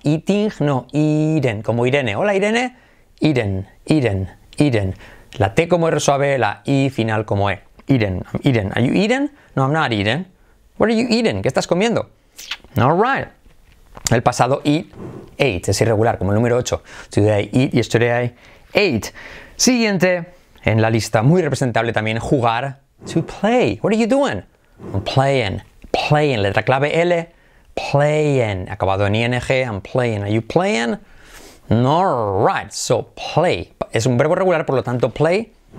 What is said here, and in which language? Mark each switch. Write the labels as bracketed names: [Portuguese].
[English] Eating, no, eating. [Spanish] Como Irene. Hola, Irene. [English] Eating, eating, eating. [Spanish] La T como R suave, la I final como E. [English] Eating, I'm eating. Are you eating? No, I'm not eating. What are you eating? [Spanish] ¿Qué estás comiendo? [English] All right. [Spanish] El pasado eat, ate. Es irregular, como el número 8. [English] Today I eat, yesterday I ate. [Spanish] Siguiente en la lista, muy representable también, jugar. [English] To play. What are you doing? I'm playing. Playing. [Spanish] Letra clave L. [English] Playing. [Spanish] Acabado en ING. [English] I'm playing. Are you playing? No, right. So, play. [Spanish] Es un verbo regular, por lo tanto, play.